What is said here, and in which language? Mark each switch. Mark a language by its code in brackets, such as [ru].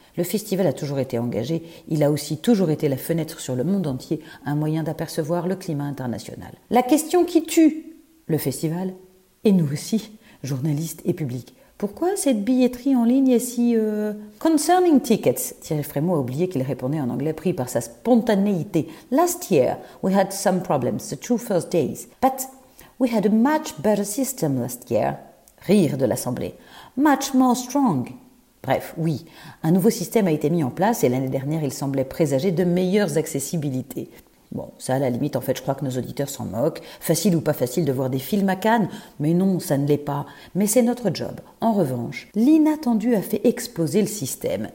[fr] Le festival a toujours été engagé, il a aussi toujours été la fenêtre sur le monde entier, un moyen d'apercevoir le climat international. La question qui tue le festival, et nous aussi, journalistes et publics. Pourquoi cette billetterie en ligne est si... [en] Concerning tickets, [fr] Thierry Frémaux a oublié qu'il répondait en anglais, pris par sa spontanéité. [en] Last year, we had some problems, the two first days. But we had a much better system last year. [fr] Rire de l'Assemblée. [en] Much more strong. [fr] Bref, oui, un nouveau système a été mis en place et l'année dernière, il semblait présager de meilleures accessibilités. Bon, ça, à la limite, en fait, je crois que nos auditeurs s'en moquent. Facile ou pas facile de voir des films à Cannes? Mais non, ça ne l'est pas. Mais c'est notre job. En revanche, l'inattendu a fait exploser le système.